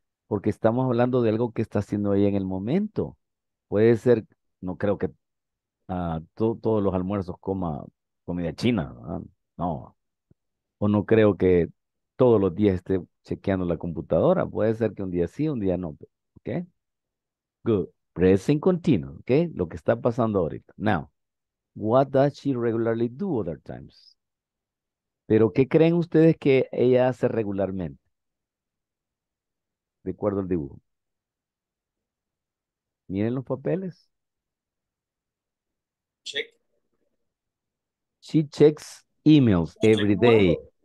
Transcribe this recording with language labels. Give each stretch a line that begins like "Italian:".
Spanish: Porque estamos hablando de algo que está haciendo ella en el momento. Puede ser, no creo que todos los almuerzos coma comida china, ¿verdad? No. O no creo que todos los días esté chequeando la computadora. Puede ser que un día sí, un día no.
English: ¿Ok? Good. Present continuous, ¿ok?
Spanish: Lo que está pasando ahorita.
English: Now, what does she regularly do other times?
Spanish: ¿Pero qué creen ustedes que ella hace regularmente? De acuerdo al dibujo. Miren los papeles.
English: Check. She checks emails every day.